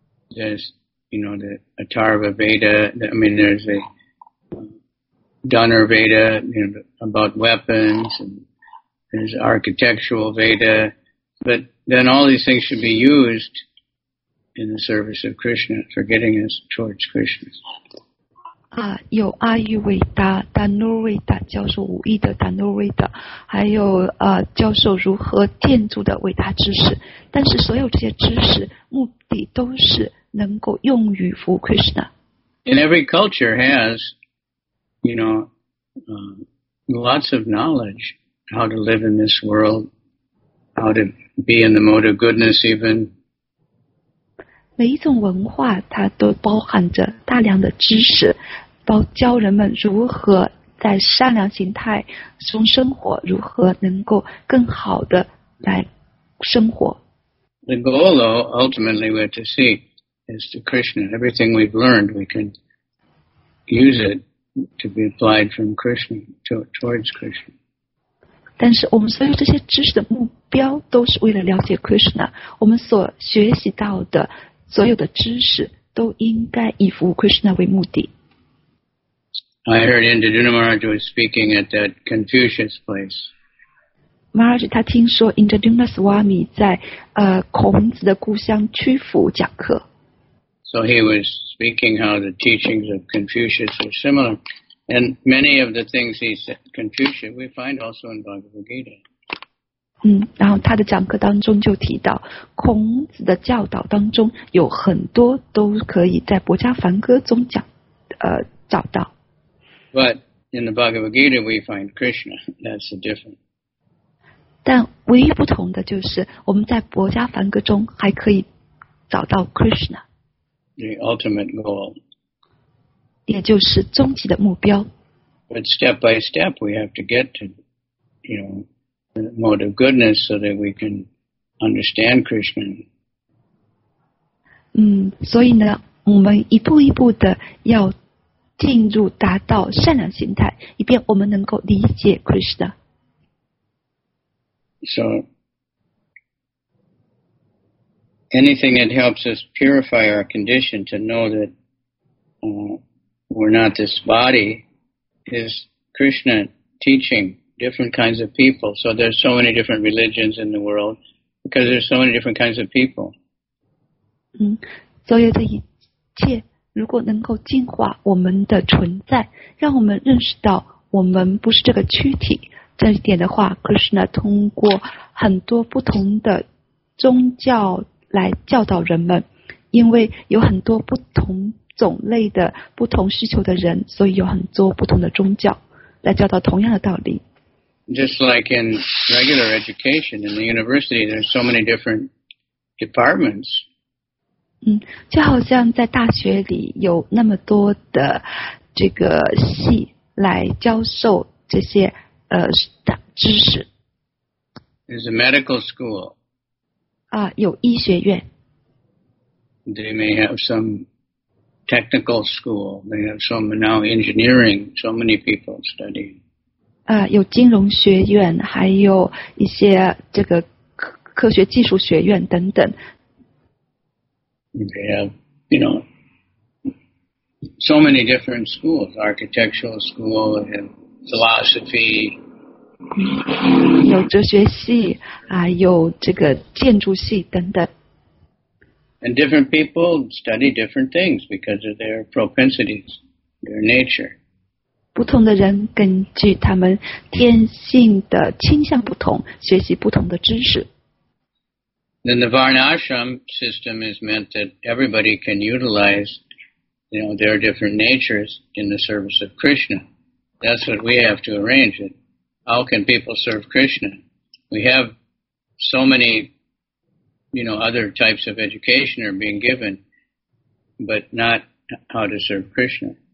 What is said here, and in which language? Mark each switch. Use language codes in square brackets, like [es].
[en] There's, you know, the Atharva Veda, I mean, there's a Dhanur Veda, you know, about weapons, and there's architectural Veda, but then all these things should be used in the service of Krishna, for getting us towards Krishna. [zh] 有阿育维达、达努维达教授武艺的达努维达，还有教授如何建筑的伟大知识。但是所有这些知识目的都是能够用于服务 Krishna. [en] And every culture has, you know, lots of knowledge how to live in this world, how to be in the mode of goodness even. [zh] 每一种文化它都包含着大量的知识，包教人们如何在善良形态中生活，如何能够更好的来生活。 [en] The goal though ultimately we have to see is to Krishna. Everything we've learned we can use it to be applied from Krishna to, towards Krishna. [zh] 但是我们所有这些知识的目标都是为了了解 Krishna， 我们所学习到的所有的知识都应该以服务 Krishna 为目的。 [en] I heard Indrajit Maharaj was speaking at that Confucius place. [zh] Maharaj 他听说 Indrajit Swami 在孔子的故乡曲阜讲课。 [en] So he was speaking how the teachings of Confucius were similar, and many of the things he said Confucius we find also in Bhagavad Gita. [zh] 然后他的讲课当中就提到孔子的教导当中有很多都可以在《薄伽梵歌》中讲找到。 [en] But in the Bhagavad Gita we find Krishna, that's the difference. [zh] 但唯一不同的就是我们在《薄伽梵歌》中还可以找到 Krishna. [en] The ultimate goal. [zh] 也就是终极的目标。 [en] But step by step we have to get to, you know,the mode of goodness so that we can understand Krishna. [zh] 所以呢我们一步一步的要进入达到善良心态，以便我们能够理解 Krishna. [en] So, anything that helps us purify our condition to know that we're not this body is Krishna teaching. Different kinds of people. So there's so many different religions in the world because there's so many different kinds of people. [zh] 所有的一切如果能够净化我们的存在，让我们认识到我们不是这个躯体，这一点的话 Krishna 通过很多不同的宗教来教导人们，因为有很多不同种类的不同需求的人，所以有很多不同的宗教来教导同样的道理。 [en] Just like in regular education in the university, there's so many different departments. [zh] 就好像在大学里有那么多的这个系来教授这些知识。 [en] There's a medical school. [zh] 有医学院。 [en] They may have some technical school. They have some now engineering. So many people studying. [zh] 有金融学院，还有一些这个科学技术学院等等。 [en] They have, you know, so many different schools, architectural school and philosophy. [zh] 有哲学系，有这个建筑系等等。 [en] And different people study different things because of their propensities, their nature. [zh] 不同的人根据他们天性的倾向不同，学习不同的知识。 [en] Then the Varnashram system is meant that everybody can utilize, you know, their different natures in the service of Krishna. That's what we have to arrange it. How can people serve Krishna? We have so many, you know, other types of education are being given, but not how to serve Krishna.